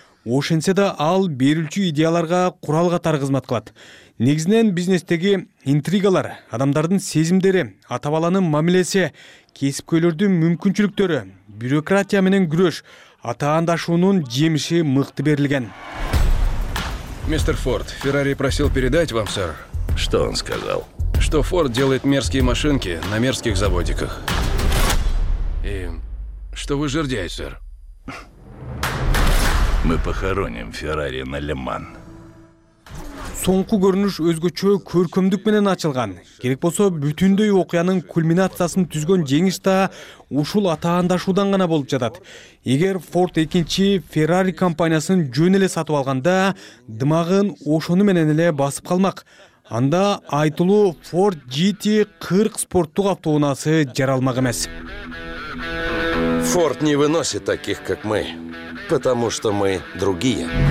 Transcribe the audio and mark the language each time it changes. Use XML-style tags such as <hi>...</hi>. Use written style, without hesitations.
<ky>Ошентсе да ал берүүчү идеяларга курал катары кызмат кылат. Негизинен бизнестеги интригалар, адамдардын сезимдери, ата-баланын мамилеси, кесипкөйлөрдүн мүмкүнчүлүктөрү, бюрократия менен күрөш, атаандашуунун жемиши мыкты берилген.</ky> <ru>Мистер Форд, Феррари просил передать вам, сэр. Что он сказал? Что Форд делает мерзкие машинки на мерзких заводиках. И что вы жердяй, сэр. Мы похороним Феррари на Леман.</ru> <ky>Соңку көрүнүш өзгөчө көркөмдүк менен ачылган. Керек болсо, бүтүндөй окуянын кульминациясын түзгөн жеңиш да ушул атаандашуудан гана болуп жатат. Эгер Форд экинчи Феррари компаниясын жөн эле сатып алганда, дымагын ошону менен эле басып калмак. Анда айтылуу Форд GT 40 спорттук автоунаасы жаралмак эмес.</ky> <ru>Форд не выносит таких, как мы, потому что мы другие.</ru>